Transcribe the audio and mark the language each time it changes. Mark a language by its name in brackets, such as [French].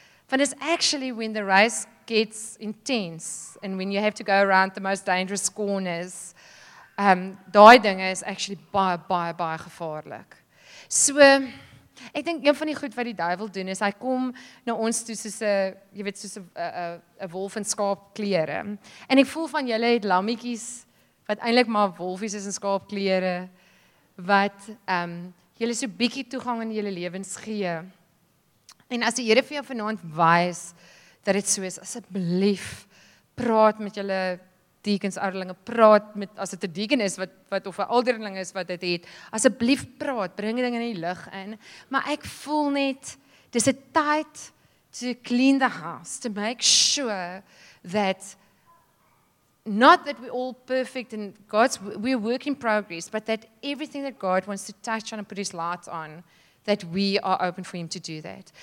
[English] But it's actually when the race gets intense, and when you have to go around the most dangerous corners, [Afrikaans] daai dinge is actually baie, baie, baie gevaarlik. So, ek dink een van die goed wat die duivel doen is, hy kom na ons toe soos a wolf in skaapklere. En ek voel van julle het lammetjies, wat eintlik maar wolfies is in skaapklere, wat julle so bietjie toegang in julle lewens gee. En as die Here vir jou vanaand wys dat dit so is, asseblief praat met julle deacons ouderlinge, praat met as dit 'n deacon is wat of 'n ouderling is wat dit het, asseblief praat, bring dinge in die lig in. Maar ek voel net dis 'n tyd [English] to clean the house, to make sure that not that we're all perfect and God's we're a work in progress, but that everything that God wants to touch on and put his light on, that we are open for him to do that.